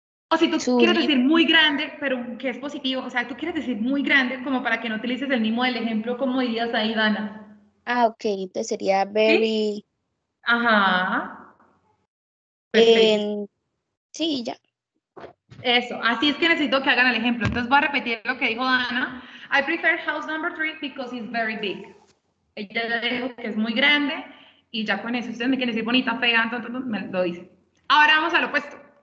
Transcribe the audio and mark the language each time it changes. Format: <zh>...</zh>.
<es>O si tú quieres decir muy grande, pero que es positivo, o sea, tú quieres decir muy grande como para que no utilices el mismo del ejemplo, ¿cómo dirías ahí, Dana? Ah, ok, entonces sería very. ¿Sí? Ajá. Perfecto. Sí, ya. Eso, así es que necesito que hagan el ejemplo. Entonces voy a repetir lo que dijo Dana.</es> <en>I prefer house number 3 because it's very big.</en> <es>Ella le dijo que es muy grande. Y ya con eso, ustedes me quieren decir bonita, fea, me lo dice. Ahora vamos al opuesto.</es>